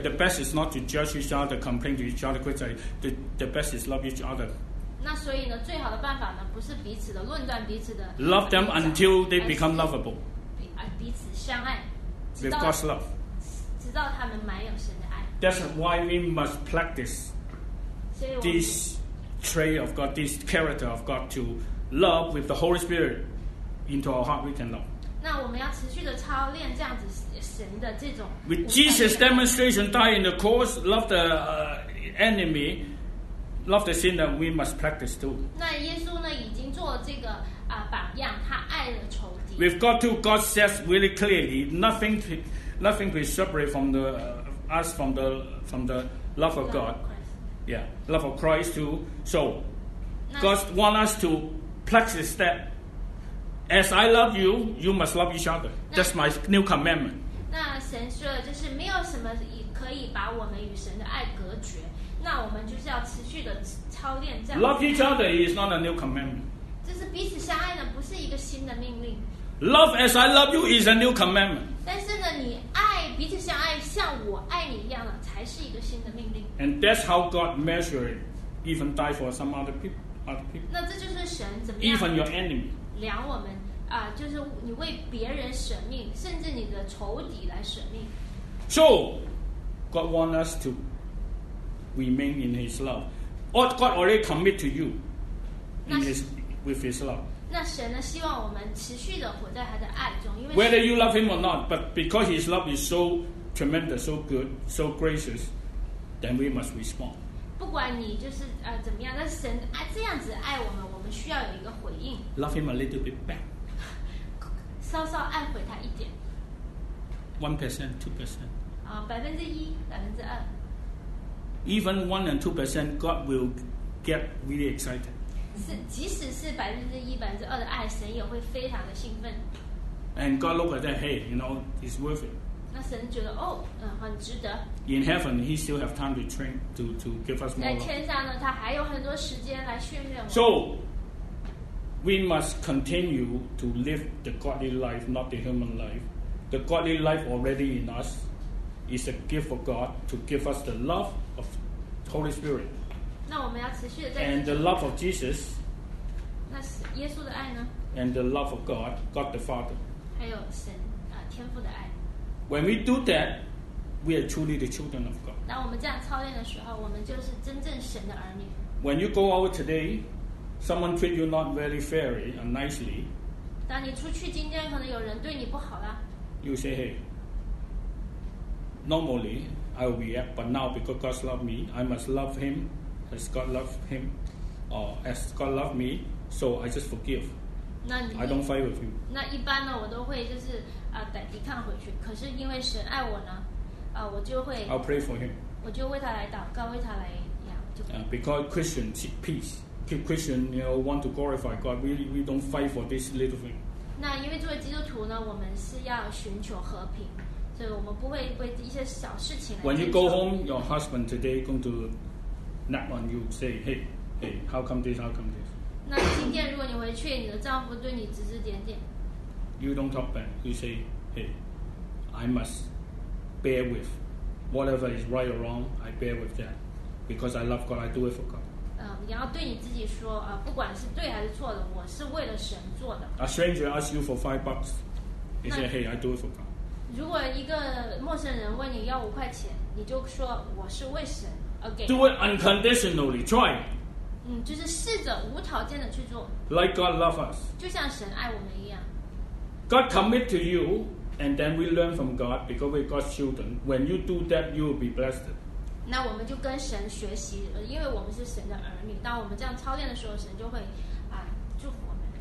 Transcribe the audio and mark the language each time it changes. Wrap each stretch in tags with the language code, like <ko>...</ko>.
<en>The best is not to judge each other, complain to each other, criticize. The best is love each other.</en> <zh>那所以呢，最好的办法呢，不是彼此的论断彼此的。</zh> <en>Love them until they become lovable.</en> <zh>彼此相爱。</zh> <en>With God's love.</en> <zh>直到他们满有神的爱。</zh> <en>That's why we must practice this trait of God, this character of God to love with the Holy Spirit into our heart, we can love.</en> <zh>那我们要持续的操练这样子神的这种。</zh> <en>With Jesus' demonstration, die in the cross, love the enemy, love the sinner, we must practice too.</en> <zh>那耶稣呢已经做这个榜样，他爱了仇敌。</zh> <en>With God too, God says really clearly, nothing will separate from the us from the love of God. Yeah, love of Christ too. So God wants us to practice that. As I love you, you must love each other. That's my new commandment.</en> <zh>那神说的就是没有什么可以把我们与神的爱隔绝，那我们就是要持续的操练这样。</zh> <en>Love each other is not a new commandment.</en> <zh>就是彼此相爱呢，不是一个新的命令。</zh> <en>Love as I love you is a new commandment.</en> <zh>但是呢，你爱彼此相爱，像我爱你一样了，才是一个新的命令。</zh> <en>And that's how God measures it, even die for some other people.</en> <zh>那这就是神怎么样</zh> <en>？Even your enemy.</en> <zh>量我们啊，就是你为别人舍命，甚至你的仇敌来舍命。</zh> <en>So, God wants us to remain in His love. What God already commit to you, with His love.</en> <zh>那神呢？希望我们持续的活在他的爱中，因为</zh> <en>whether you love Him or not, but because His love is so tremendous, so good, so gracious, then we must respond.</en> <zh>不管你就是怎么样，那神啊这样子爱我们，我们需要有一个回应。</zh> <en>Love him a little bit back.</en> <zh>稍稍爱回他一点。</zh> <en>1%, 2%.</en> <zh>1%, 2%.</zh> <en>Even 1% and 2%, God will get really excited.</en> <zh>是，即使是1%, 2%的爱，神也会非常的兴奋。</zh> <en>And God look at that, hey, you know, it's worth it.</en> <zh>那神觉得哦，很值得。</zh> <en>In heaven, he still have time to train to give us more.</en> <zh>在天上呢，他还有很多时间来训练我们。</zh> <en>So we must continue to live the godly life, not the human life. The godly life already in us is a gift for God to give us the love of the Holy Spirit.</en> <zh>那我们要持续的在。</zh> <en>And the love of Jesus.</en> <zh>那耶稣的爱呢？</zh> <en>And the love of God, God the Father.</en> <zh>还有神天父的爱。</zh> <en>When we do that, we are truly the children of God.</en> <zh>当我们这样操练的时候，我们就是真正神的儿女。</zh> <en>When you go out today, someone treat you not very fairly or nicely.</en> <zh>当你出去今天，可能有人对你不好了。</zh> <en>You say, "Hey, normally I will react, but now because God loves me, I must love Him as God loves Him, or as God loves me, so I just forgive." I don't fight with you.</en> <zh>那一般呢，我都会就是歹抵抗回去。可是因为神爱我呢，我就会。</zh> <en>I'll pray for him.</en> <zh>我就为他来祷告，为他来养。</zh> <en>Because Christians seek peace, keep Christian, you know, want to glorify God. We don't fight for this little thing.</en> <zh>那因为作为基督徒呢，我们是要寻求和平，所以我们不会为一些小事情。</zh> <en>When you go home, your husband today going to nap on you, say, "Hey, hey, how come this? How come this?"</en> <zh>那今天如果你回去，你的丈夫对你指指点点。</zh> <en>You don't talk back. You say, "Hey, I must bear with whatever is right or wrong. I bear with that because I love God. I do it for God."</en> <zh>你要对你自己说，不管是对还是错的，我是为了神做的。</zh> <en>A stranger asks you for $5. You say, "Hey, I do it for God."</en> <zh>如果一个陌生人问你要5块钱，你就说我是为神而给。</zh> <en>Do it unconditionally. Try.</en> <zh>就是试着无条件的去做。</zh> <en>Like God love us.</en> <zh>就像神爱我们一样。</zh> <en>God commit to you, and then we learn from God because we're God's children. When you do that, you will be blessed.</en> <zh>那我们就跟神学习，因为我们是神的儿女。当我们这样操练的时候，神就会祝福我们。</zh>